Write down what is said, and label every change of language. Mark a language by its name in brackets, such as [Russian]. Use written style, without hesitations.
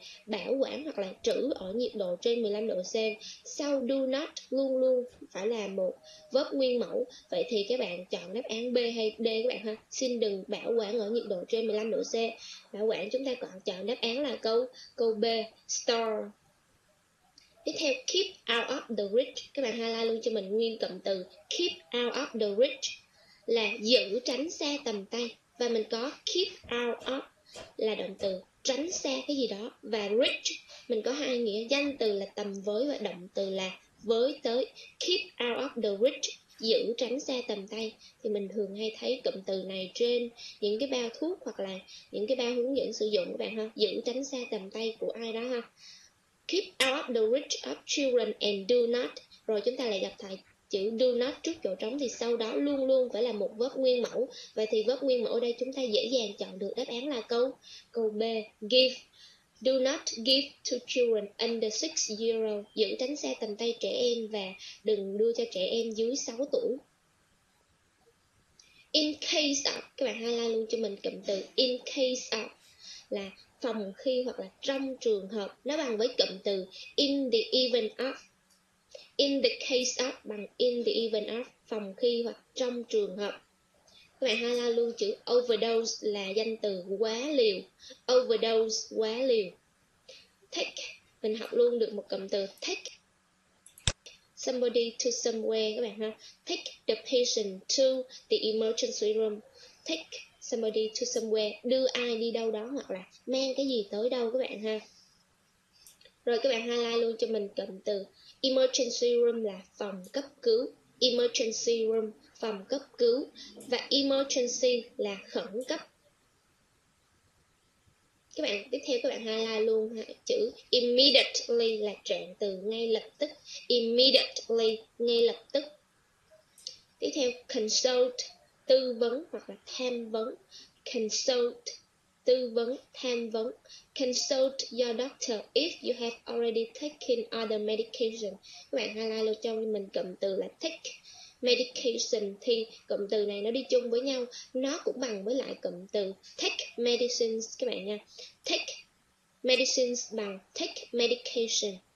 [Vietnamese] Bảo quản hoặc là trữ ở nhiệt độ trên 15 độ C, sau [English] do not [Vietnamese] luôn luôn phải là một verb nguyên mẫu. Vậy thì các bạn chọn đáp án B hay D các bạn ha. Xin đừng bảo quản ở nhiệt độ trên 15 độ C. Bảo quản chúng ta còn chọn đáp án là câu B, store. Tiếp theo, [English] keep out of the reach. [Vietnamese] Các bạn highlight luôn cho mình nguyên cụm từ [English] keep out of the reach [Vietnamese] là giữ tránh xa tầm tay. Và mình có [English] keep out of [Vietnamese] là động từ tránh xa cái gì đó. Và reach, mình có hai nghĩa, danh từ là tầm với và động từ là với tới. [English] Keep out of the reach, [Vietnamese] giữ tránh xa tầm tay. Thì mình thường hay thấy cụm từ này trên những cái bao thuốc hoặc là những cái bao hướng dẫn sử dụng các bạn ha. Giữ tránh xa tầm tay của ai đó ha. [English] Keep out of the reach of children and do not. [Vietnamese] Rồi chúng ta lại gặp lại chữ [English] do not [Vietnamese] trước chỗ trống thì sau đó luôn luôn phải là một verb nguyên mẫu. Vậy thì verb nguyên mẫu đây chúng ta dễ dàng chọn được đáp án là câu B, give. [English] Do not give to children under 6 years old. [Vietnamese] Giữ tránh xa tầm tay trẻ em và đừng đưa cho trẻ em dưới 6 tuổi. [English] In case of, [Vietnamese] các bạn highlight luôn cho mình cụm từ [English] in case of [Vietnamese] là phòng khi hoặc là trong trường hợp. Nó bằng với cụm từ [English] in the event of. In the case of [Vietnamese] bằng in the event of, phòng khi hoặc trong trường hợp. Các bạn highlight luôn chữ overdose là danh từ quá liều. Overdose, quá liều. Take, mình học luôn được một cụm từ [English] take somebody to somewhere [Vietnamese] các bạn ha. [English] Take the patient to the emergency room. Take somebody to somewhere, [Vietnamese] đưa ai đi đâu đó hoặc là mang cái gì tới đâu các bạn ha. Rồi các bạn highlight luôn cho mình cụm từ emergency room là phòng cấp cứu. Emergency room, phòng cấp cứu. Và emergency là khẩn cấp. Các bạn tiếp theo các bạn highlight luôn ha. Chữ immediately là trạng từ ngay lập tức. Immediately, ngay lập tức. Tiếp theo consult, tư vấn hoặc là tham vấn. Consult, tư vấn, tham vấn. [English] Consult your doctor if you have already taken other medication. [Vietnamese] Các bạn highlight luôn cho mình cụm từ là [English] take medication. [Vietnamese] Thì cụm từ này nó đi chung với nhau, nó cũng bằng với lại cụm từ [English] take medicines [Vietnamese] các bạn nha. [English] Take medicines bằng take medication.